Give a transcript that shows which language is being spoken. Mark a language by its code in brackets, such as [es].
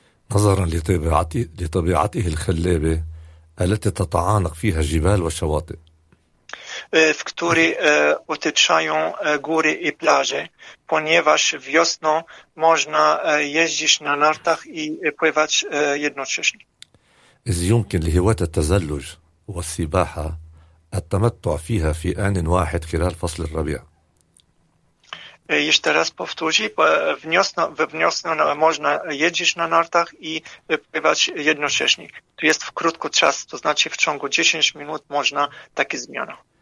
[ar] نظرا لطبيعته الخلابة التي تتعانق فيها الجبال والشواطئ. [pl] W której otaczają góry i plaże, ponieważ wiosną można jeździć na nartach i pływać jednocześnie. [ar] إذ يمكن لهواة التزلج والسباحة التمتع فيها في آن واحد خلال فصل الربيع. [pl] Jeszcze raz powtórzę, we wniosno można jeździć na nartach i pływać jednocześnie. To jest w krótki czas, to znaczy w ciągu 10 minut można takie zmiany.